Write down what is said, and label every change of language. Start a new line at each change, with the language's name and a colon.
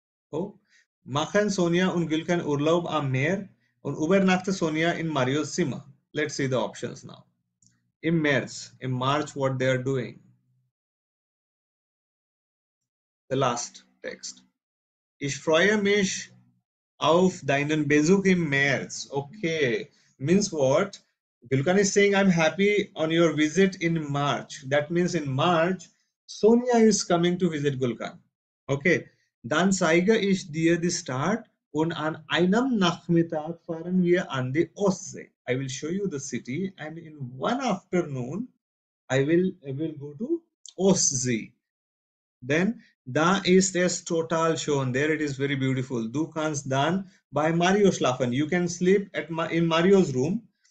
German: Oh, machen Sonja und Gülkan Urlaub am Meer und übernachten Sonja in Marios Zimmer.
English: Let's see the options now.
German: Im März,
English: in March, what they are doing. The last text.
German: Ich freue mich auf deinen Besuch im März.
English: Okay, means what? Gülkan is saying, I'm happy on your visit in March. That means in March, Sonia is coming to visit Gülkan. Okay.
German: Dann zeige ich dir die Stadt und an einem Nachmittag fahren wir an die Ostsee.
English: I will show you the city and in one afternoon, I will go to Ostsee. Then,
German: da ist es total schön.
English: There it is very beautiful.
German: Du kannst dann bei Mario schlafen.
English: You can sleep at in Mario's room.